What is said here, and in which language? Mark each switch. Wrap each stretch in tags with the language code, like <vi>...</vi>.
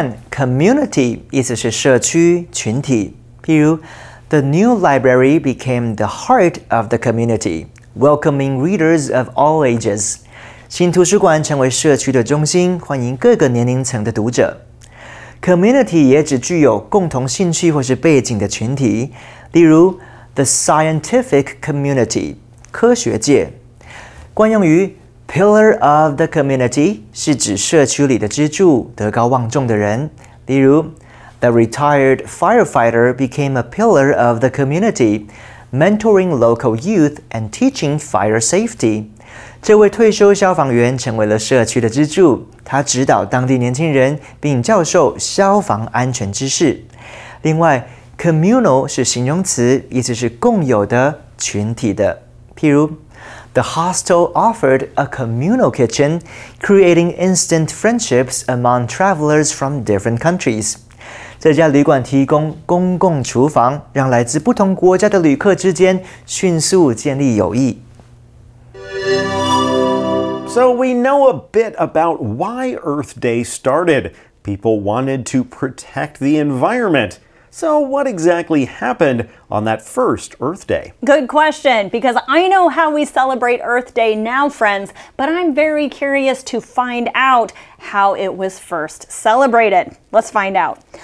<en>Community</en> <zh>意思是社区, 群体, 譬如,</zh> <en>the new library became the heart of the community, welcoming readers of all ages.</en> <zh>新图书馆成为社区的中心, 欢迎各个年龄层的读者。 Community也指具有共同兴趣或是背景的群体, 例如,</zh> <en>the scientific community,</en> <zh>科学界。关用于 Pillar of the community 是指社区里的支柱, 德高望重的人。例如,</zh> <en>the retired firefighter became a pillar of the community, mentoring local youth and teaching fire safety.</en> <zh>这位退休消防员成为了社区的支柱, 他指导当地年轻人并教授消防安全知识。另外, communal 是形容词, 意思是共有的、群体的。譬如,</zh> <en>The hostel offered a communal kitchen, creating instant friendships among travelers from different countries.</en> <zh>这家旅馆提供公共厨房，让来自不同国家的旅客之间迅速建立友谊。</zh> <en>So we know a bit about why Earth Day started. People wanted to protect the environment. So what exactly happened on that first Earth Day? Good question, because I know how we celebrate Earth Day now, friends, but I'm very curious to find out how it was first celebrated. Let's find out.</en>